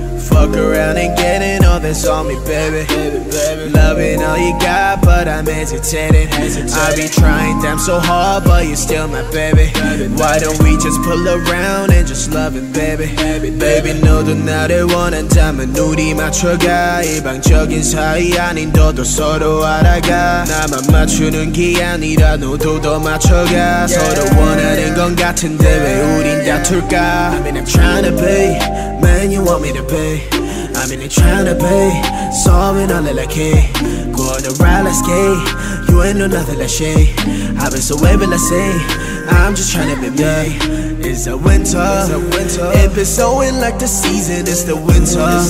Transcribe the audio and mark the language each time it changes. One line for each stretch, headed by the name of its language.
English: fuck around and getting all this on me, baby. Loving all you got, but I'm hesitating. I be trying damn so hard, but you're still my baby. Why don't we just pull around and just love it, baby?
Korean: Baby, 너도 나를 원한다면 우리 맞춰가. 일방적인 사이 아닌 너도 서로 알아가. 나만 맞추는 게 아니라 너도 더 맞춰가. 서로 원하는 건 같은데 왜 우린 다툴까?
English: I mean I'm tryna be, man you want me to be. I mean I'm tryna be, solving all the like it. Go on the ride, let's skate. You ain't know nothing like shit. I've been so wavy, let's say. I'm just tryna be me. It's the winter. If it's snowing like the season, it's the winter.